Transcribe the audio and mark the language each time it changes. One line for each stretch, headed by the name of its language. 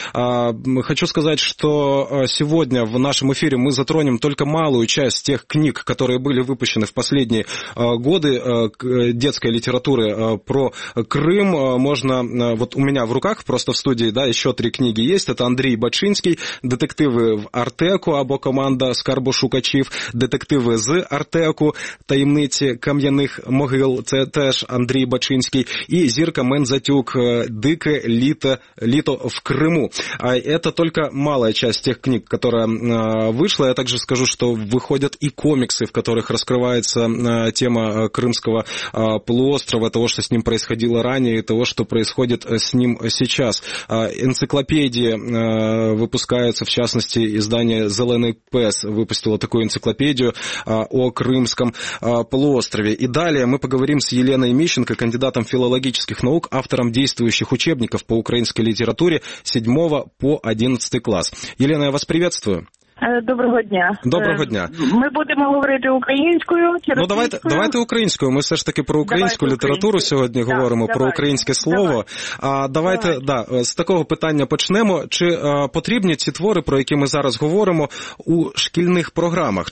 Russian: Хочу сказать, что сегодня в нашем эфире мы затронем только малую часть тех книг, которые были выпущены в последние годы детской литературы про Крым. Можно, вот у меня в руках просто в студии, да, еще три книги есть.
Ukrainian: Это Андрей Бачинский, «Детективы в Артеку» або «Команда Скарбош Шукачів», «Детективи з Артеку», «Таємниці кам'яних могил», це теж Андрій Бачинський, і «Зірка Мензатюк», «Дике літо в Криму». А це тільки мала частина тих книг, яка вийшла. Я також скажу, що виходять і комікси, в яких розкривається тема Кримського полуострова, того, що з ним відбувалося раніше, і того, що відбувається з ним зараз. Енциклопедії випускаються, в частності, іздання «Зелений пес»
Russian: выпустила такую энциклопедию о Крымском полуострове. И далее мы поговорим с Еленой Мищенко, кандидатом филологических наук, автором действующих учебников по украинской литературе 7 по 11 класс. Елена, я вас приветствую.
Ukrainian: Доброго дня. Доброго дня. Ми будемо говорити українською. Ну, давайте українською. Ми все ж таки про українську літературу сьогодні говоримо, про українське слово. Давайте, з такого питання почнемо. Чи потрібні ці твори, про які ми зараз говоримо, у шкільних програмах?